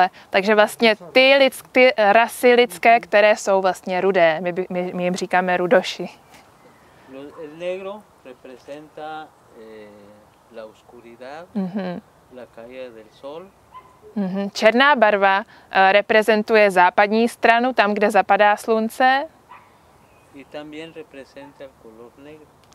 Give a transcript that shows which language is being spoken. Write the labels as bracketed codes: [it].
[cs] Takže vlastně ty rasy lidské, které jsou vlastně rudé, my jim říkáme rudoši. [es] El negro representa la oscuridad, la caída del sol. [cs] Černá barva reprezentuje západní stranu, tam, kde zapadá slunce. [es] Y también representa el color negro.